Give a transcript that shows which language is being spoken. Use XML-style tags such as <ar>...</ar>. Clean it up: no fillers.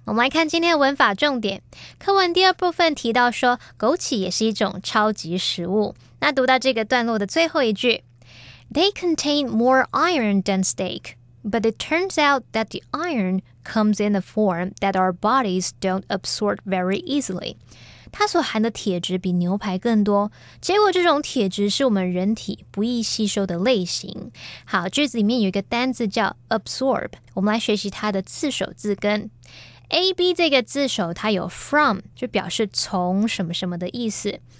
<zh>我们来看今天的文法重点。课文第二部分提到说，枸杞也是一种超级食物。那读到这个段落的最后一句，</zh> <en>They contain more iron than steak, but it turns out that the iron comes in a form that our bodies don't absorb very easily.</en> <zh>它所含的铁质比牛排更多，结果这种铁质是我们人体不易吸收的类型。好，句子里面有一个单字叫 absorb， 我们来学习它的次首字根。 ab 这个字首它有 from， 就表示从什么什么的意思。</zh>